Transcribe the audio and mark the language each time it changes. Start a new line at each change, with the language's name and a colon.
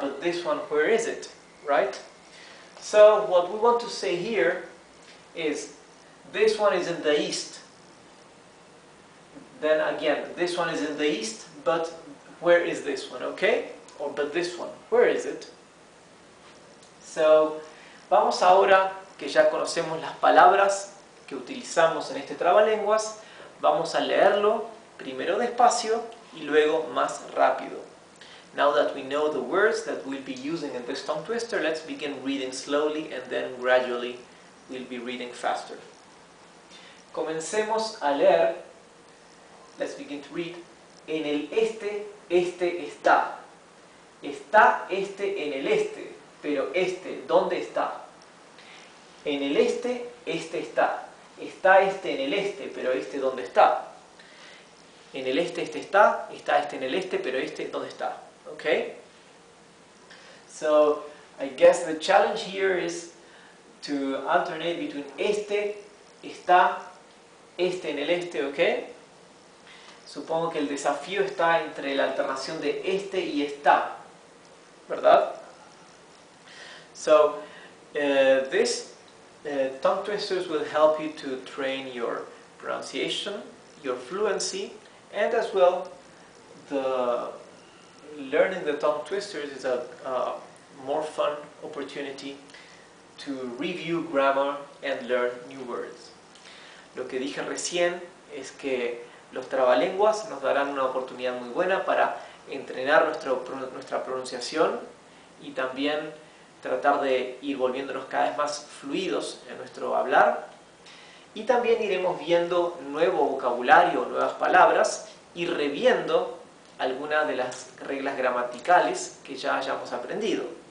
English: But this one, where is it, right? So what we want to say here is, this one is in the east. Then again, this one is in the east, but where is this one, okay? Or but this one, where is it?
Spanish: So, vamos ahora, que ya conocemos las palabras que utilizamos en este trabalenguas, vamos a leerlo primero despacio y luego más rápido.
English: Now that we know the words that we'll be using in this tongue twister, let's begin reading slowly and then gradually we'll be reading faster.
Spanish: Comencemos a leer,
English: let's begin to read,
Spanish: en el este, este está. Está este en el este, pero este, ¿dónde está? En el este, este está. Está este en el este, pero este, ¿dónde está? En el este, este está. Está este en el este, pero este, ¿dónde está?
English: Okay? So, I guess the challenge here is to alternate between
Spanish: este, está, este en el este,
English: okay?
Spanish: Supongo que el desafío está entre la alternación de este y está, ¿verdad? So, this tongue twisters will help you to train your pronunciation, your fluency, and as well, the learning the tongue twisters is a more fun opportunity to review grammar and learn new words. Lo que dije recién es que los trabalenguas nos darán una oportunidad muy buena para entrenar nuestra pronunciación y también tratar de ir volviéndonos cada vez más fluidos en nuestro hablar. Y también iremos viendo nuevo vocabulario, nuevas palabras y reviendo algunas de las reglas gramaticales que ya hayamos aprendido.